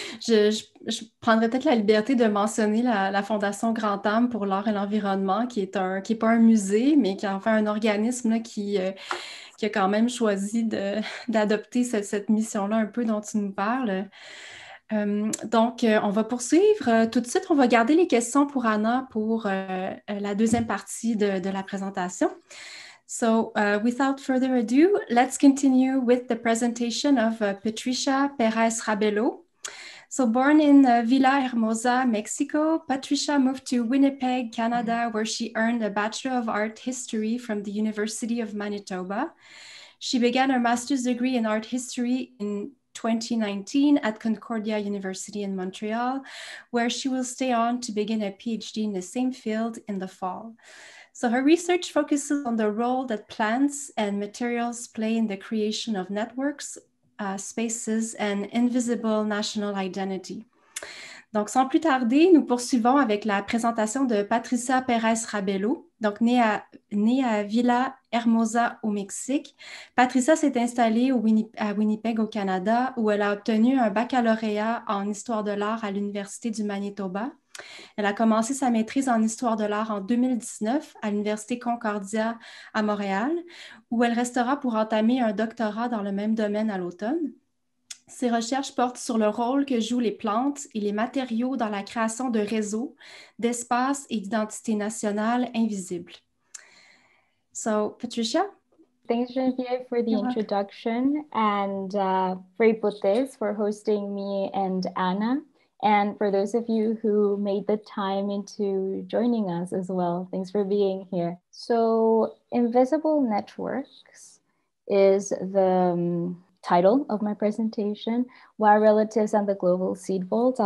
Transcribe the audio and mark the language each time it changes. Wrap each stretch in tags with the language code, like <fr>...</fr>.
<fr>Je prendrai peut-être la liberté de mentionner la Fondation Grand Âme pour l'art et l'environnement, qui n'est pas un musée, mais qui est enfin un organisme là, qui a quand même choisi d'adopter cette mission-là un peu dont tu nous parles. On va poursuivre. Tout de suite, on va garder les questions pour Anna pour la deuxième partie de la présentation.</fr> <en>So, without further ado, let's continue with the presentation of Patricia Perez Rabello. So, born in Villa Hermosa, Mexico, Patricia moved to Winnipeg, Canada, where she earned a Bachelor of Art History from the University of Manitoba. She began her master's degree in art history in 2019 at Concordia University in Montreal, where she will stay on to begin a PhD in the same field in the fall. So her research focuses on the role that plants and materials play in the creation of networks, spaces, and invisible national identity.</en> <fr>Donc, sans plus tarder, nous poursuivons avec la présentation de Patricia Perez Rabello. Donc, née à Villa Hermosa au Mexique, Patricia s'est installée à Winnipeg au Canada, où elle a obtenu un baccalauréat en histoire de l'art à l'Université du Manitoba. Elle a commencé sa maîtrise en histoire de l'art en 2019 à l'Université Concordia à Montréal, où elle restera pour entamer un doctorat dans le même domaine à l'automne. Ses recherches portent sur le rôle que jouent les plantes et les matériaux dans la création de réseaux, d'espaces et d'identités nationales invisibles.</fr> <en>So, Patricia? Thanks, Geneviève, for the introduction and Free Botes for hosting me and Anna. And for those of you who made the time into joining us as well, thanks for being here. So, Invisible Networks is the title of my presentation, Why Relatives and the Global Seed Vault.</en>